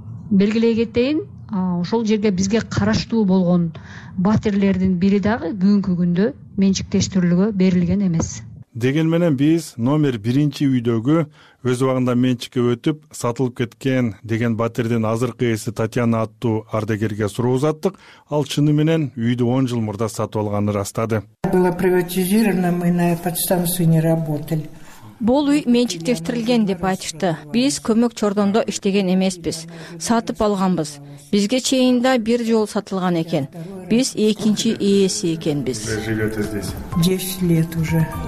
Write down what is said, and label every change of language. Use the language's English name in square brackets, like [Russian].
[Kyrgyz] Белгилей кетейин, ошол жерге бизге караштуу болгон батирлердин бири дагы бүгүнкү күндө менчиктештирүүгө берилген эмес. Деген менен биз номер биринчи үйдөгү өз убагында менчикке өтүп сатылып кеткен деген батирдин азыркы ээси Татьяна аттуу ардыгерге суроо узаттык. Ал чыны менен үйдү 10 жыл мурда сатып алганын ырастады. [Russian] Было приватизировано, мы на этой станции не работали. [Kyrgyz] Бул үй менчиктештирилген деп айтышты. Биз көмөк чордондо иштеген эмеспиз. Сатып алганбыз. Бизге чейин да бир жол сатылган экен. Биз экинчи ээси экенбиз. [Russian] Живете здесь? 10 лет уже.